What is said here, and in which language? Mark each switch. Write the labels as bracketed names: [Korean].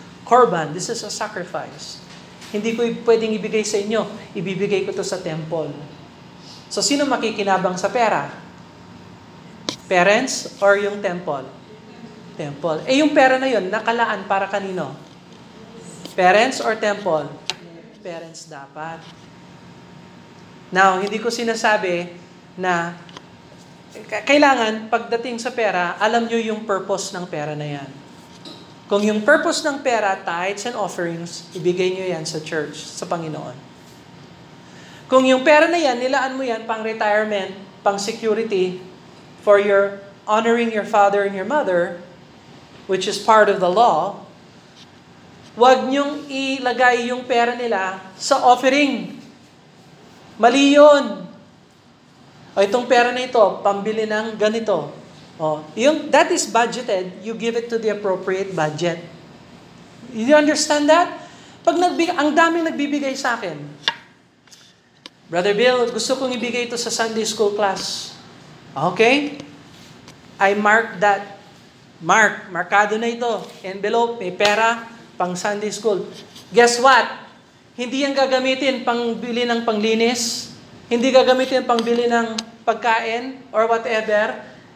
[English] Korban, this is a sacrifice. [Filipino] Hindi ko pwedeng ibigay sa inyo, ibibigay ko to sa temple. So, sino makikinabang sa pera? Parents or yung temple? Temple. Eh, yung pera na yun, nakalaan para kanino? Parents or temple? Parents dapat. Now, hindi ko sinasabi na kailangan pagdating sa pera, alam nyo yung purpose ng pera na yan. Kung yung purpose ng pera, tithes and offerings, ibigay nyo yan sa church, sa Panginoon. Kung yung pera na yan, nilaan mo yan pang retirement, pang security, [English] for your honoring your father and your mother, which is part of the law, [Filipino] huwag nyong ilagay yung pera nila sa offering. Mali yun. O itong pera na ito, pambili ng ganito. [English] That is budgeted, you give it to the appropriate budget. You understand that? [Filipino] Ang daming nagbibigay sa akin. Brother Bill, gusto kong ibigay ito sa Sunday school class. Okay? [English] I mark that. [Filipino] Markado na ito. Envelope, may pera, pang Sunday school. [English] Guess what? [Filipino] Hindi yan gagamitin pang bili ng panglinis. Hindi gagamitin pang bili ng pagkain or whatever.